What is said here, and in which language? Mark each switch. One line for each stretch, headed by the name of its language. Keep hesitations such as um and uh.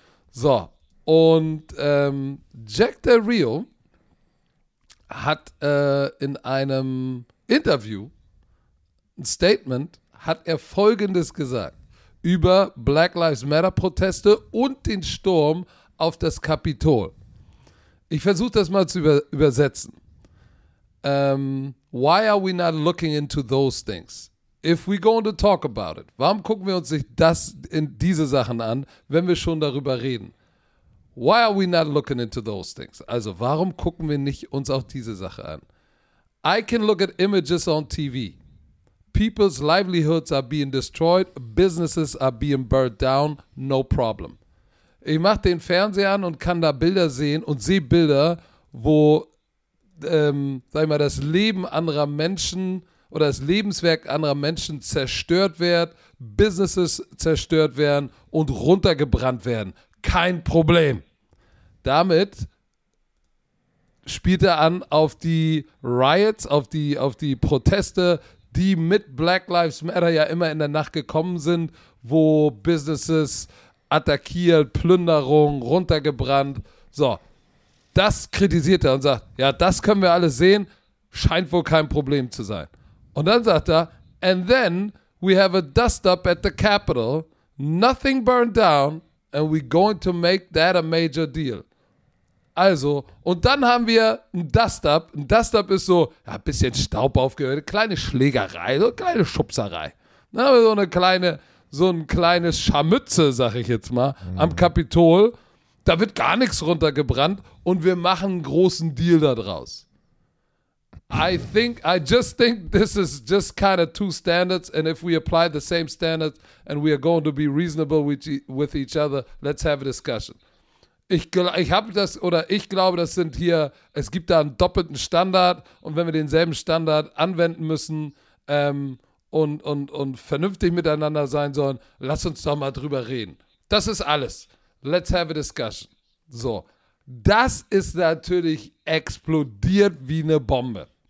German: So, und ähm, Jack Del Rio hat äh, in einem Interview, ein Statement, hat er Folgendes gesagt über Black Lives Matter-Proteste und den Sturm auf das Kapitol. Ich versuche das mal zu über übersetzen.
English: Ähm, why are we not looking into those things? If we go to talk about it,
German: warum gucken wir uns nicht das in diese Sachen an, wenn wir schon darüber reden?
English: Why are we not looking into those things?
German: Also, warum gucken wir nicht uns auch diese Sache an?
English: I can look at images on TV. People's livelihoods are being destroyed. Businesses are being burned down. No problem.
German: Ich mache den Fernseher an und kann da Bilder sehen und sehe Bilder, wo, ähm, sag mal, das Leben anderer Menschen oder das Lebenswerk anderer Menschen zerstört wird, Businesses zerstört werden und runtergebrannt werden kein Problem. Damit spielt er an auf die Riots, auf die, auf die Proteste, die mit Black Lives Matter ja immer in der Nacht gekommen sind, wo Businesses attackiert, Plünderung, runtergebrannt. So, das kritisiert er und sagt, ja, das können wir alle sehen, scheint wohl kein Problem zu sein. Und dann sagt er,
English: and then we have a dust up at the Capitol, nothing burned down, and we're going to make that a major deal.
German: Also, und dann haben wir ein Dust-Up. Ein Dust-Up ist so, ja, ein bisschen Staub aufgehört, kleine Schlägerei, so kleine Schubserei. Dann haben wir so eine kleine, so ein kleines Scharmütze, sag ich jetzt mal, mhm. am Kapitol. Da wird gar nichts runtergebrannt und wir machen einen großen Deal daraus. Ich glaube,
English: I just think this is just two standards, and if we apply the same standards and we are going to be reasonable with, with each other, let's have a discussion.
German: Ich, ich habe das oder ich glaube, das sind hier. Es gibt da einen doppelten Standard und wenn wir denselben Standard anwenden müssen ähm, und, und, und vernünftig miteinander sein sollen, lass uns doch mal drüber reden. Das ist alles.
English: Let's have a discussion.
German: So das ist natürlich explodiert wie eine Bombe.